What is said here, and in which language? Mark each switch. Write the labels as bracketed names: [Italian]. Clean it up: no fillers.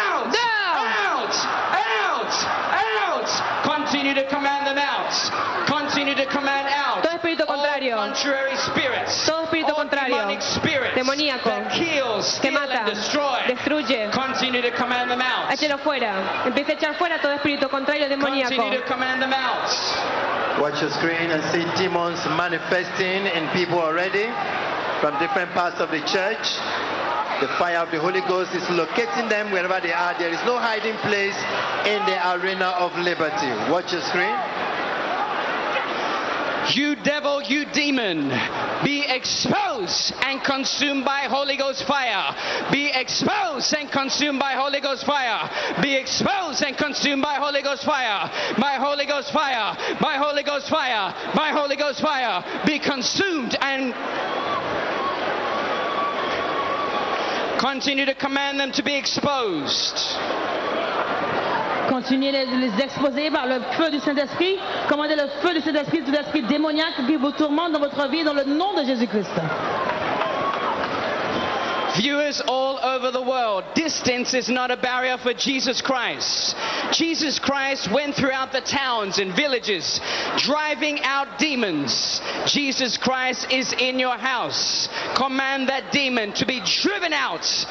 [English] Duh. Out. Out. Out. Continue to command them out. Continue to command out. [Spanish] Todo espíritu contrario. [English] All contrary spirits. [Spanish] Todo espíritu contrario. [English] All demonic spirits. [Spanish] Demoníaco. [English] That kills, [Spanish] que mata, [English] steal and destroy. [Spanish] Destruye. [English] Continue to command them out. [Spanish] Échelo fuera. Empieza a echar fuera todo espíritu contrario demoníaco. [English] Continue to command them out. Watch your screen and see demons manifesting in people already from different parts of the church. The fire of the Holy Ghost is locating them wherever they are. There is no hiding place in the arena of liberty. Watch your screen. You devil, you demon, be exposed and consumed by Holy Ghost fire. Be exposed and consumed by Holy Ghost fire. Be exposed and consumed by Holy Ghost fire. By Holy Ghost fire. By Holy Ghost fire. By Holy Ghost fire. Be consumed and continue to command them to be exposed. [French] Continuez à les exposer par le feu du Saint-Esprit. Commandez le feu du Saint-Esprit, tout esprit démoniaque qui vous tourmente dans votre vie, dans le nom de Jésus-Christ. [English] Viewers all over the world, distance is not a barrier for Jesus Christ. Jesus Christ went throughout the towns and villages, driving out demons. Jesus Christ is in your house. Command that demon to be driven out.